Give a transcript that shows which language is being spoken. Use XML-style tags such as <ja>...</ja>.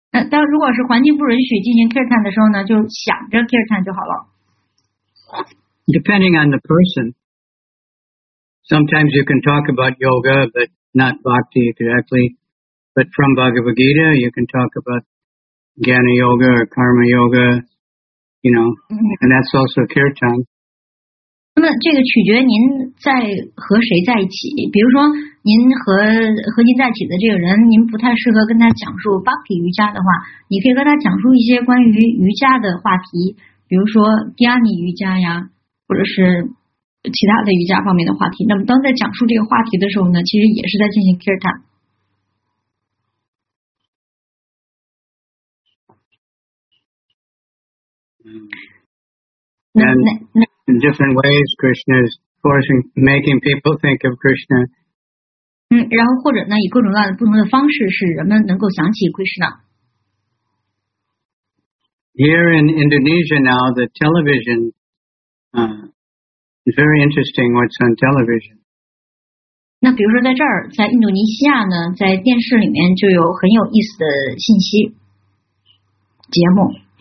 <zh>但如果是环境不允许进行 kirtan 的时候呢，就想着 kirtan 就好了。</zh> <en>Depending on the person, sometimes you can talk about yoga, but not bhakti directly. But from Bhagavad Gita, you can talk about jnana yoga or karma yoga. You know, and that's also kirtan.</en> <zh>那么这个取决您在和谁在一起。比如说，您和您在一起的这个人，您不太适合跟他讲述 bhakti 瑜伽的话，你可以跟他讲述一些关于瑜伽的话题，比如说 dhyani 瑜伽呀，或者是其他的瑜伽方面的话题。那么当在讲述这个话题的时候呢，其实也是在进行 kirtan。</zh> <en>And in different ways, Krishna is forcing, making people think of Krishna.</en> <zh>然后或者呢，以各种各样的不同的方式，使人们能够想起 Krishna.</zh> <en>Here in Indonesia now, the television is very interesting. What's on television?</en> <zh>那比如说在这儿，在印度尼西亚呢，在电视里面就有很有意思的信息节目。</zh>